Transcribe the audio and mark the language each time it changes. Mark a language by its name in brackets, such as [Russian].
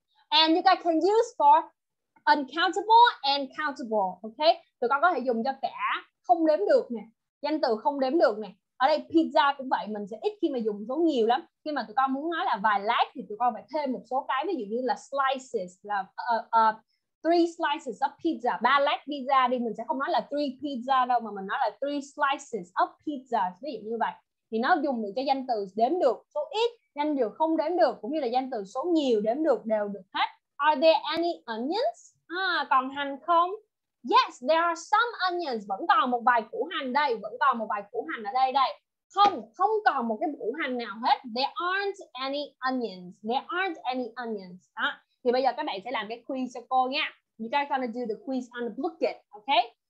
[English] And you guys can use for uncountable and countable. [Vietnamese] Okay, tụi con có thể dùng cho cả không đếm được nè. Danh từ không đếm được nè. Ở đây pizza cũng vậy, mình sẽ ít khi mà dùng số nhiều lắm. Khi mà tụi con muốn nói là vài lát thì tụi con phải thêm một số cái, ví dụ như là slices, là [English] three slices of pizza, [Vietnamese] ba lát pizza đi, mình sẽ không nói là [English] three pizza [Vietnamese] đâu mà mình nói là three slices of pizza, ví dụ như vậy. Thì nó dùng được cho danh từ đếm được số ít, danh từ không đếm được, cũng như là danh từ số nhiều đếm được đều được hết. [English] Are there any onions? [Vietnamese] À, còn hành không? [English] Yes, there are some onions. [Vietnamese] Vẫn còn một vài củ hành đây, vẫn còn một vài củ hành ở đây đây. Không, không còn một cái củ hành nào hết. [English] There aren't any onions. There aren't any onions. [Vietnamese] Đó. Thì bây giờ các bạn sẽ làm cái quiz cho cô nha. [English] You guys gonna do the quiz on the booklet, okay?